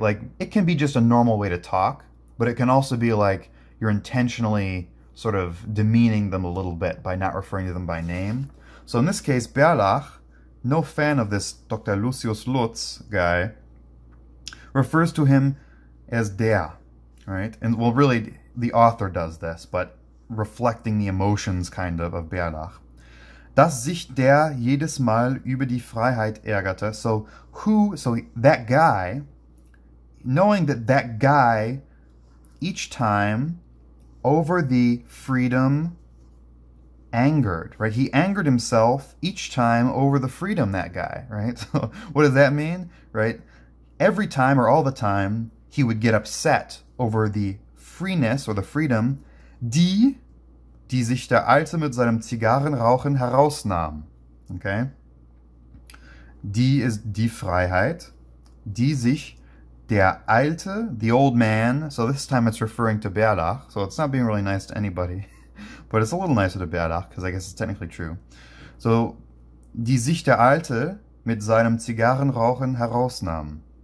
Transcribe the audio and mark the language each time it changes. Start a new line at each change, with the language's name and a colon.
English: Like, it can be just a normal way to talk, but it can also be like you're intentionally sort of demeaning them a little bit by not referring to them by name. So in this case, Bärlach, no fan of this Dr. Lucius Lutz guy, refers to him as der, right? And well, really, the author does this, but reflecting the emotions, kind of Bärlach.
German: Dass sich der jedes Mal über die Freiheit ärgerte.
English: So that guy, knowing that that guy, each time, over the freedom, angered, right? He angered himself each time over the freedom, that guy, right? So what does that mean, right? Every time or all the time, he would get upset over the freeness or the freedom,
German: die sich der Alte mit seinem Zigarrenrauchen herausnahm.
English: Okay?
German: Die is die Freiheit. Die sich der Alte,
English: the old man. So this time it's referring to Bärlach. So it's not being really nice to anybody. But it's a little nicer to Bärlach, because I guess it's technically true.
German: So, die sich der Alte mit seinem Zigarrenrauchen herausnahm.